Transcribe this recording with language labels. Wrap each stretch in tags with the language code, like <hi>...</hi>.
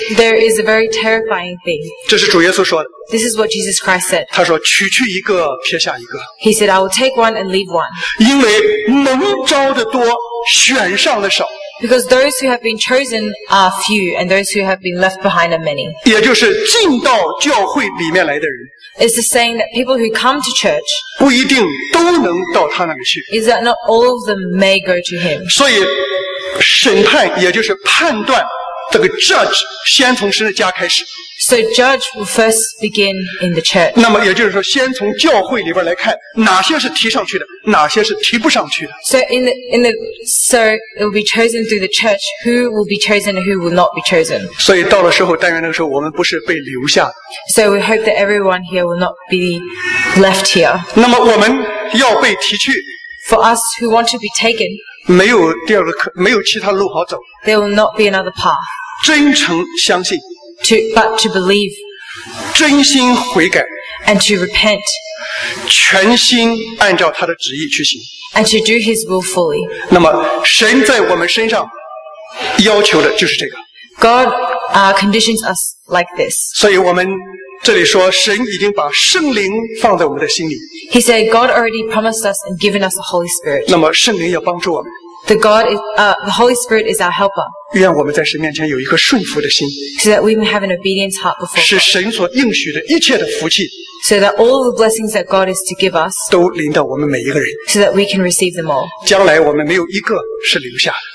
<en>There is a very terrifying thing.</en> <zh>这是主耶稣说的。</zh> <en>This is what Jesus Christ said.</en> <zh>他说取去一个撇下一个。</zh> <en>He said I will take one and leave one.</en> <zh>因为蒙召的多选上的少。</zh> <en>Because those who have been chosen are few and those who have been left behind are many.</en> <zh>也就是进到教会里面来的人。</zh> <en>It's the saying that people who come to church</en> <zh>不一定都能到他那里去。</zh> <en>Is that not all of them may go to him.</en> <zh>所以审判也就是判断这个 judge 先从神的家开始。</zh> <en>So judge will first begin in the church.</en> <zh>那么也就是说，先从教会里边来看，哪些是提上去的，哪些是提不上去的。</zh> <en>So so it will be chosen through the church. Who will be chosen and who will not be chosen?</en> <zh>所以到了时候，但愿那个时候我们不是被留下。</zh> <en>So we hope that everyone here will not be left here.</en> <zh>那么我们要被提去。</zh> <en>For us who want to be taken.</en> <zh>没有第二个可，没有其他路好走。</zh> <en>There will not be another path.</en> <zh>真诚相信。</zh> <en>But to believe.</en> <zh>真心悔改。</zh> <en>And to repent.</en> <zh>全心按照他的旨意去行。</zh> <en>And to do His will fully.</en> <zh>那么神在我们身上要求的就是这个。</zh> <en>God, conditions us like this.</en> <zh>所以我们这里说神已经把圣灵放在我们的心里。</zh> <en>He said God already promised us and given us the Holy Spirit.</en> <zh>那么圣灵要帮助我们。</zh> <en>The Holy Spirit is our helper.</en> <zh>愿我们在神面前有一颗顺服的心。</zh> <en>So that we may have an obedient heart before God.</en> <zh>是神所应许的一切的福气。</zh> <en>So that all the blessings that God is to give us.</en> <zh>都临到我们每一个人。</zh> <en>So that we can receive them all.</en> <zh>将来我们没有一个是留下的。</zh>